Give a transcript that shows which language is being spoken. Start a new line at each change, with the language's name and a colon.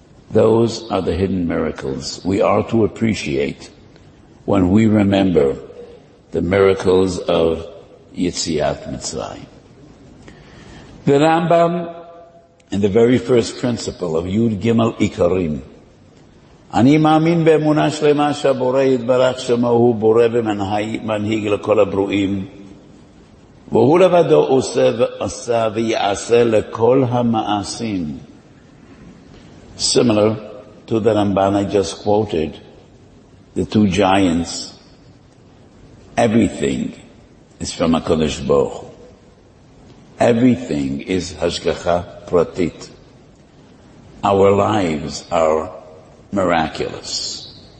English: Those are the hidden miracles we are to appreciate when we remember the miracles of Yitziat Mitzrayim. The Rambam, in the very first principle of Yud Gimel Ikarim,
Hebrew: אני מאמין באמונה שלמה שהבורא יתברך שמה הוא בורא ומנהיג לכל הברואים, והוא לבדו עושה ויעשה לכל המעשים.
English: Similar to the Ramban I just quoted, the two giants, everything is from HaKadosh Baruch Hu. Everything is Hashgacha Pratit. Our lives are miraculous.